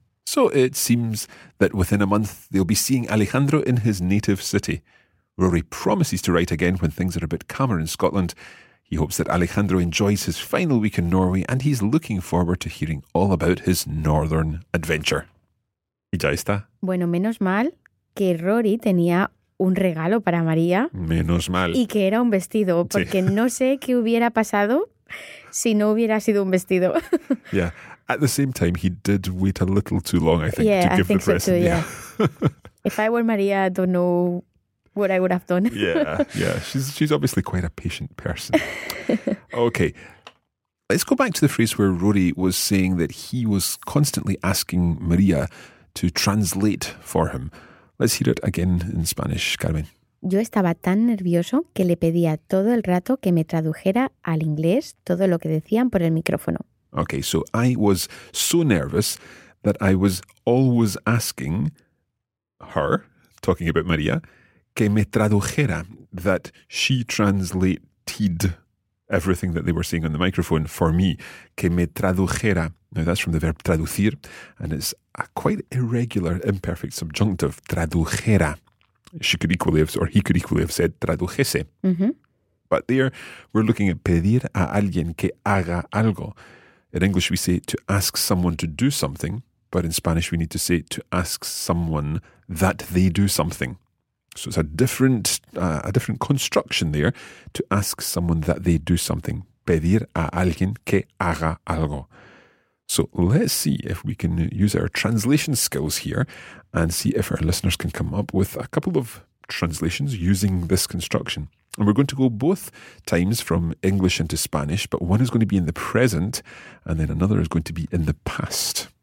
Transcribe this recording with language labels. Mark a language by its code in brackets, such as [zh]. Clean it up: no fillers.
[en] So it seems that within a month they'll be seeing Alejandro in his native city. Rory promises to write again when things are a bit calmer in Scotland. He hopes that Alejandro enjoys his final week in Norway and he's looking forward to hearing all about his northern adventure. [es] Y ya está. Bueno, menos mal que Rory tenía un regalo para María. Menos mal. Y que era un vestido, porque sí. No sé qué hubiera pasado si no hubiera sido un vestido. [en] Yeah. At the same time, he did wait a little too long, I think, yeah, to give I think the present. So too, yeah. If I were Maria, I don't know what I would have done. Yeah. She's obviously quite a patient person. Okay. Let's go back to the phrase where Rory was saying that he was constantly asking Maria to translate for him. Let's hear it again in Spanish, Carmen. [es] Yo estaba tan nervioso que le pedía todo el rato que me tradujera al inglés todo lo que decían por el micrófono. [en] Okay, so I was so nervous that I was always asking her, talking about Maria, [es] que me tradujera, [en] that she translated everything that they were saying on the microphone for me. [es] Que me tradujera. [en] Now that's from the verb traducir, and it's a quite irregular imperfect subjunctive, tradujera. She could equally have, or he could equally have said tradujese. Mm-hmm. But there, we're looking at [es] pedir a alguien que haga algo. [en] In English, we say to ask someone to do something, but in Spanish, we need to say to ask someone that they do something. So it's a different construction there, to ask someone that they do something. [es] Pedir a alguien que haga algo. [en] So let's see if we can use our translation skills here and see if our listeners can come up with a couple of translations using this construction. And we're going to go both times from English into Spanish, but one is going to be in the present and then another is going to be in the past.